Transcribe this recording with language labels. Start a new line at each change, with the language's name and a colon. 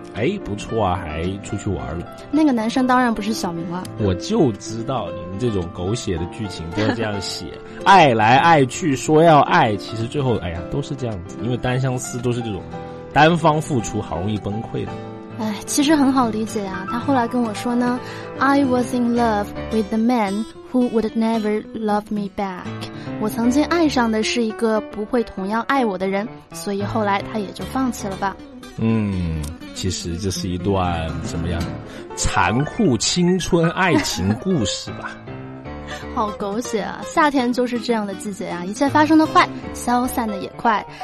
Chinese: 哎，不错啊，还出去玩了。那个男生当然不是小明了。我就知道你们这种狗血的剧情都要这样写。爱来爱去说要爱，其实最后哎呀都是这样子，因为单相思都是这种单方付出，好容易崩溃的。哎，其实很好理解啊。他后来跟我说呢，
English: I was in love with the man who would never love me back.
Chinese: 我曾经爱上的是一个不会同样爱我的人，所以后来他也就放弃了吧。嗯，其实这是一段怎么样，残酷青春爱情故事吧。好狗血啊，夏天就是这样的季节啊，一切发生的快，消散的也快。